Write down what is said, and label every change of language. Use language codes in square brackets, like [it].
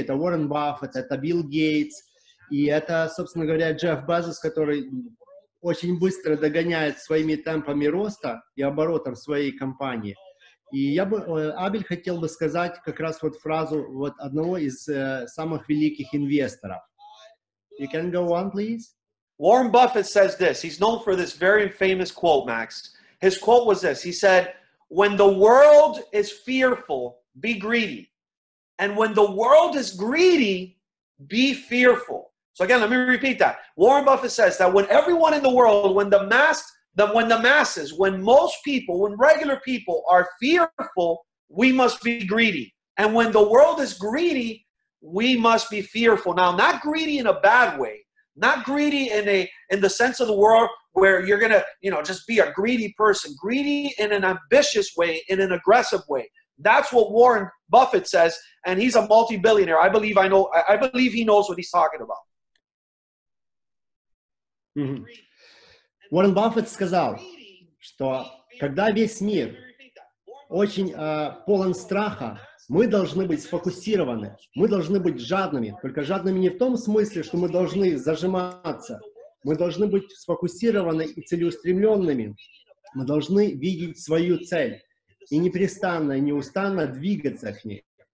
[ru] Это Уоррен Баффет, это Билл Гейтс, и это, собственно говоря, Джефф Безос, который очень быстро догоняет своими темпами роста и оборотом своей компании. И я бы, Абель, хотел бы сказать как раз вот фразу вот одного из самых великих инвесторов. [en] You can go on, please. Warren Buffett says this. He's known for this very famous quote, Max. His quote was this. He said, when the world is fearful, be greedy. And when the world is greedy, be fearful. So again, let me repeat that. Warren Buffett says that when everyone in the world, when regular people are fearful, we must be greedy. And when the world is greedy, we must be fearful. Now, not greedy in a bad way, not greedy in the sense of the world where you're going to, you know, just be a greedy person, greedy in an ambitious way, in an aggressive way. That's what Warren Buffett says, and he's a multi-billionaire. I believe he knows what he's talking about. [ru] Уоррен Баффет сказал, что когда весь мир очень полон страха, мы должны быть сфокусированы, мы должны быть жадными, только жадными не в том смысле, что мы должны зажиматься, мы должны быть сфокусированы и целеустремленными, мы должны видеть свою цель и непрестанно, неустанно двигаться к ней.